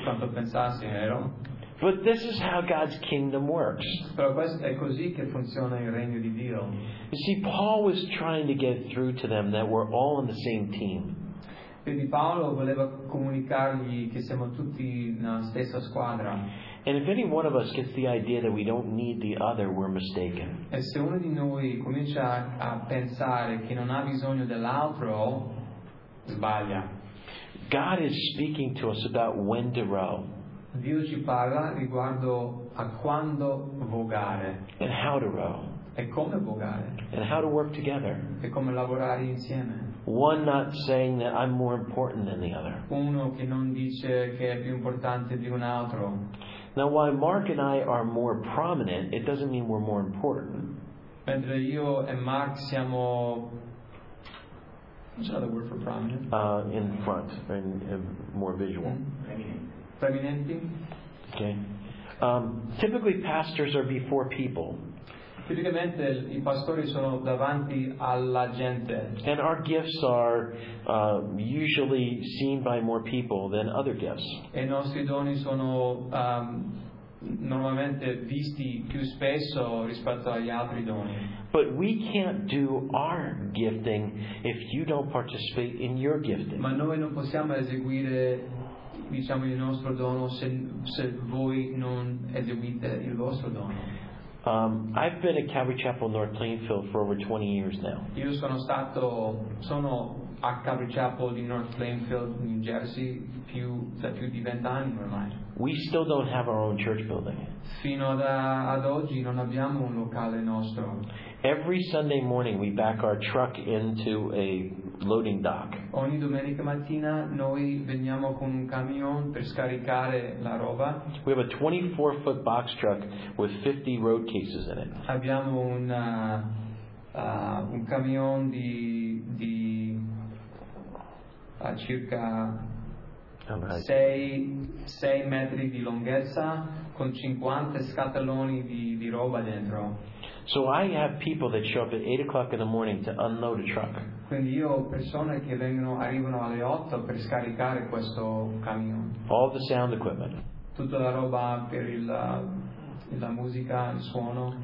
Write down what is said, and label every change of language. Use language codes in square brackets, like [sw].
[en] But this is how God's kingdom works. You see, Paul was trying to get through to them that we're all on the same team. [it] Quindi Paolo voleva comunicargli che siamo tutti nella stessa squadra. [en] And if any one of us gets the idea that we don't need the other, we're mistaken. [it] E se uno di noi comincia a pensare che non ha bisogno dell'altro, sbaglia. [en] God is speaking to us about when to row. [it] Dio ci parla riguardo a quando vogare. [en] And how to row. [it] E come vogare. [en] And how to work together. [it] E come lavorare insieme. [en] One not saying that I'm more important than the other. [it] Uno che non dice che è più importante di un altro. [en] Now, while Mark and I are more prominent, it doesn't mean we're more important. [it] Mentre io e Mark siamo [en] It's another word for prominent. In front, and more visual. [it] Preeminente. [en] Okay. Typically, pastors are before people. [it] Tipicamente, i pastori sono davanti alla gente. [en] And our gifts are usually seen by more people than other gifts. [it] E i nostri doni sono normalmente visti più spesso rispetto agli altri doni. [en] But we can't do our gifting if you don't participate in your gifting. [it] Ma noi non possiamo eseguire, diciamo, il nostro dono se voi non eseguite il vostro dono. [en] I've been at Calvary Chapel North Plainfield for over 20 years now. [it] Io sono a Calvary Chapel di North Plainfield, New Jersey, più di 20 anni ormai. [en] We still don't have our own church building. [it] Fino ad oggi non abbiamo un locale nostro. [en] Every Sunday morning we back our truck into a loading dock. [it] Ogni domenica mattina noi veniamo con un camion per scaricare la roba. [en] We have a 24-foot box truck with 50 road cases in it. [it] Abbiamo un camion di circa 6 metri di lunghezza con 50 scatoloni di roba dentro. [en] So I have people that show up at 8 o'clock in the morning to unload a truck. [it] Quindi io ho persone che arrivano alle 8 per scaricare questo camion. [en] All the sound equipment. [it] Tutta la roba per la musica, il suono.